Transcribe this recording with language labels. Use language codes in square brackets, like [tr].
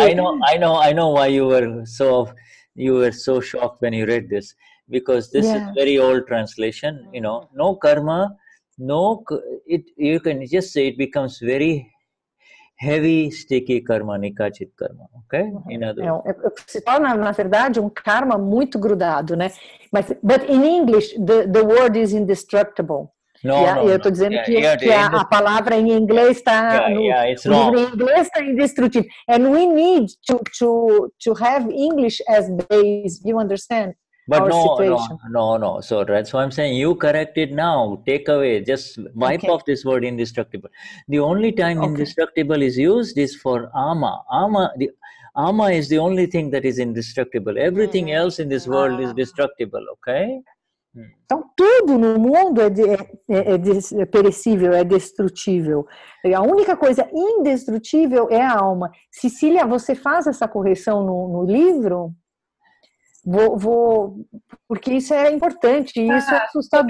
[en] I know why you were so shocked when you read this. Because this is very old translation, you know, no karma, you can just say it becomes very heavy, sticky karma, nikachit karma, okay? In other words. [pt] Se torna, na verdade, karma muito grudado, né? [en] But in English, the word is indestructible. No, [pt] eu estou dizendo que a palavra em inglês está Em inglês está indestrutível. [en] And we need to have English as base, you understand? But no. So that's why I'm saying you correct it now. Take away, just wipe off this word indestructible. The only time indestructible is used is for ama. Ama is the only thing that is indestructible. Everything else in this world is destructible, okay? [pt] Então, tudo no mundo é perecível, é destrutível. E a única coisa indestrutível é a alma. Cecília, você faz essa correção no livro? Vou porque isso é importante, isso é assustador.